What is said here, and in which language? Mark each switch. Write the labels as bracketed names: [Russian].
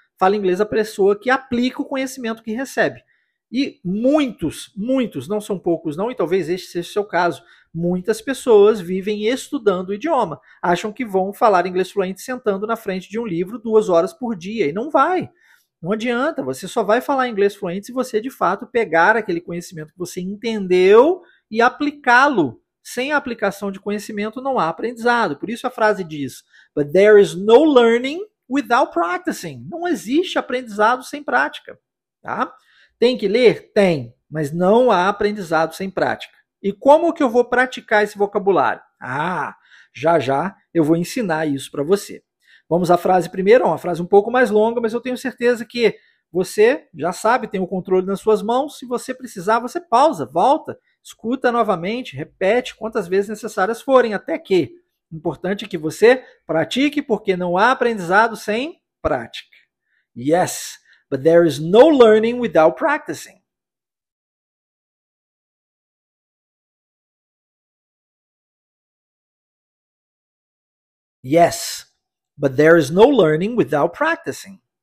[Portuguese] Fala inglês a pessoa que aplica o conhecimento que recebe. E muitos, não são poucos não, e talvez este seja o seu caso, muitas pessoas vivem estudando o idioma. Acham que vão falar inglês fluente sentando na frente de um livro 2 horas por dia. E não vai. Não adianta. Você só vai falar inglês fluente se você, de fato, pegar aquele conhecimento que você entendeu e aplicá-lo. Sem a aplicação de conhecimento, não há aprendizado. Por isso a frase diz, [English] but there is no learning without practicing. [Portuguese] Não existe aprendizado sem prática. Tá? Tem que ler? Tem. Mas não há aprendizado sem prática. E como que eu vou praticar esse vocabulário? Ah, já eu vou ensinar isso para você. Vamos à frase primeiro, uma frase um pouco mais longa, mas eu tenho certeza que você já sabe, tem o controle nas suas mãos. Se você precisar, você pausa, volta, escuta novamente, repete quantas vezes necessárias forem, até que. O importante é que você pratique, porque não há aprendizado sem prática. [English] Yes, but there is no learning without practicing. Yes, but there is no learning without practicing.